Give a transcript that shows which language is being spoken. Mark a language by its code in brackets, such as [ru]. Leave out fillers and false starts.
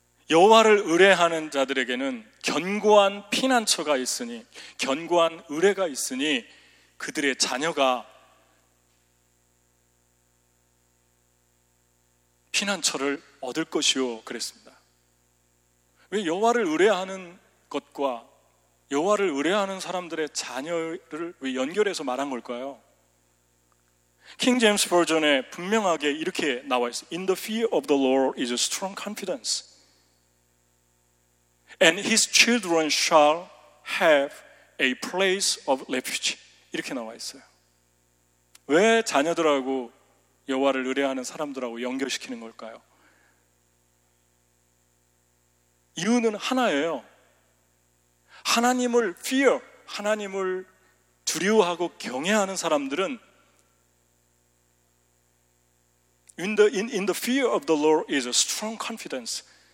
[ko] 여호와를 의뢰하는 자들에게는 견고한 피난처가 있으니 견고한 의뢰가 있으니 그들의 자녀가 피난처를 얻을 것이요 그랬습니다. 왜 여호와를 의뢰하는 것과 여호와를 의뢰하는 사람들의 자녀를 왜 연결해서 말한 걸까요? 킹 제임스 버전에 분명하게 이렇게 나와 있어요. [en] In the fear of the Lord is a strong confidence. And his children shall have a place of refuge. [ko] 이렇게 나와 있어요. 왜 자녀들하고 여호와를 의뢰하는 사람들하고 연결시키는 걸까요? 이유는 하나예요. 하나님을 fear, 하나님을 두려워하고 경외하는 사람들은 [en] in the fear of the Lord is a strong confidence.